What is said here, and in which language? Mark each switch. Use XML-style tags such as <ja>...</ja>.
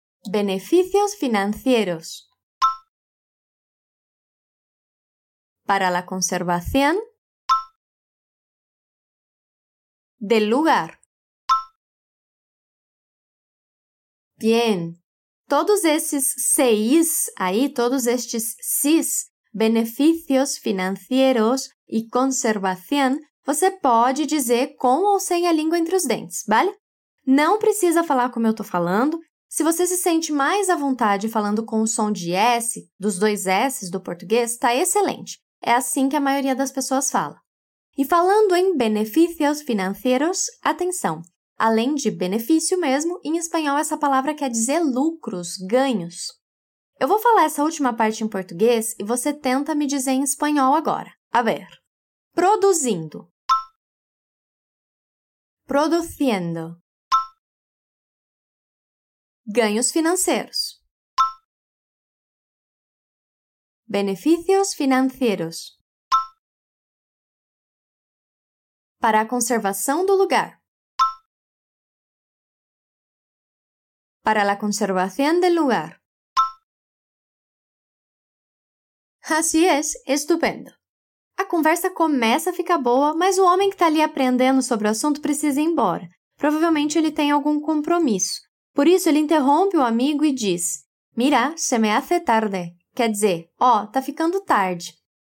<es>Beneficios financieros. Para la conservación del lugar. Bien.</es> <pt>Todos esses CIs aí, todos estes CIs,</pt> <es>beneficios financieros y conservación,</es> <pt>você pode dizer com ou sem a língua entre os dentes, vale? Não precisa falar como eu estou falando. Se você se sente mais à vontade falando com o som de S, dos dois S do português, está excelente. É assim que a maioria das pessoas fala. E falando em benefícios financeiros, atenção! Além de benefício mesmo, em espanhol essa palavra quer dizer lucros, ganhos. Eu vou falar essa última parte em português e você tenta me dizer em espanhol agora.</pt> <es>A ver...</es> <pt>produzindo.</pt> <es>Produciendo.</es> <pt>Ganhos financeiros.</pt> <es>Beneficios financieros.</es> <pt>Para a conservação do lugar.</pt> <es>Para la conservación del lugar. Así es, estupendo.</es> <pt>A conversa começa a ficar boa, mas o homem que está ali aprendendo sobre o assunto precisa ir embora. Provavelmente ele tem algum compromisso. Por isso ele interrompe o amigo e diz:</pt> <es>Mira, se me hace tarde.</es> <pt>Quer dizer, ó, tá ficando tarde.</pt>